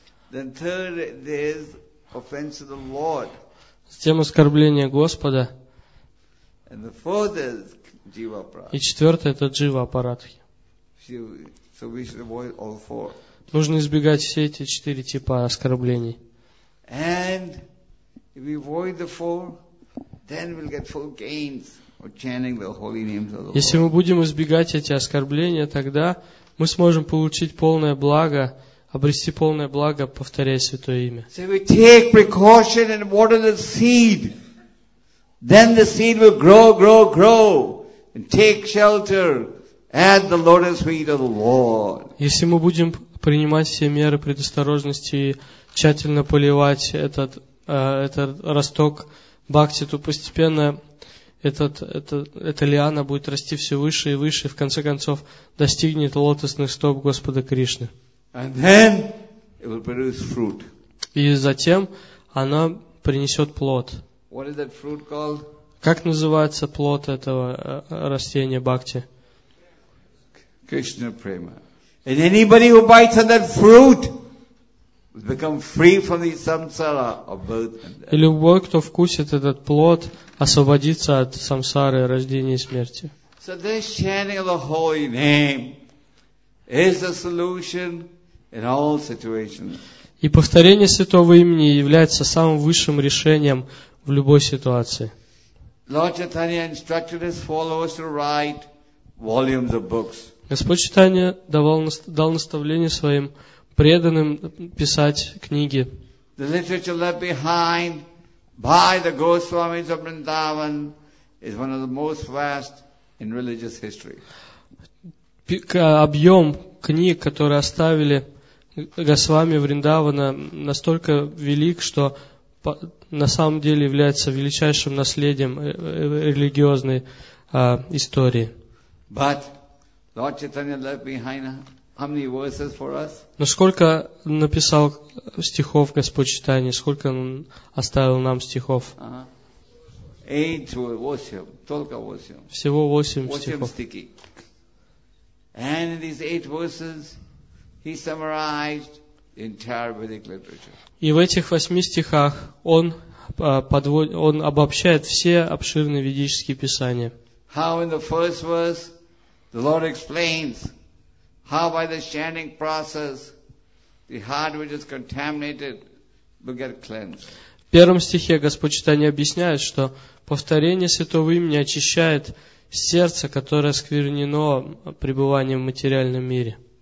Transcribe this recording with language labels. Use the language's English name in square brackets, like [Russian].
[English] Then third is offense of the Lord. [Russian] Затем оскорбление Господа. [English] And the fourth is jiva prad. [Russian] И четвертое это джива прадхи. [English] So we should avoid all four. [Russian] Нужно избегать все эти четыре типа оскорблений. [English] And if we avoid the four, then we'll get full gains of chanting the holy names of the Lord. [Russian] Если мы будем избегать эти оскорбления, тогда мы сможем получить полное благо, обрести полное благо, повторяя святое имя. [English] So if we take precaution and water the seed, then the seed will grow, grow, grow, and take shelter at the lotus feet of the Lord. [Russian] Если мы будем принимать все меры предосторожности и тщательно поливать этот росток бхакти, то постепенно эта лиана будет расти все выше и выше, и в конце концов достигнет лотосных стоп Господа Кришны. [English] And then it will produce fruit. [Russian] И затем она принесет плод. [English] What is that fruit called? [Russian] Как называется плод этого растения бхакти? Кришна Према. [English] And anybody who bites on that fruit become free from the samsara of birth. [Russian] И любой, кто вкусит этот плод, освободится от самсары, рождения и смерти. [English] So this chanting of the holy name is the solution in all situations. [Russian] И повторение святого имени является самым высшим решением в любой ситуации. [English] Lord Chaitanya instructed his followers to write volumes of books. [Russian] Господь Читания дал наставление своим преданным писать книги. [English] The literature left behind by the Goswamis of Vrindavan is one of the most vast in religious history. [Russian] Объем книг, которые оставили Госвами Вриндавана, настолько велик, что на самом деле является величайшим наследием религиозной истории. [English] But Lord Chaitanya left behind how many verses for us? [Russian] Но сколько написал стихов Господь Читания, сколько он оставил нам стихов? Восемь. Всего восемь стихов. [English] And in these eight verses, he summarized the entire Vedic literature. [Russian] И в этих восьми стихах он обобщает все обширные ведические писания. [English] How in the first verse the Lord explains how by the chanting process the heart which is contaminated will get cleansed. [Russian] В первом стихе Господь Читания объясняет, что повторение святого имени очищает сердце, которое сквернено пребыванием в материальном мире.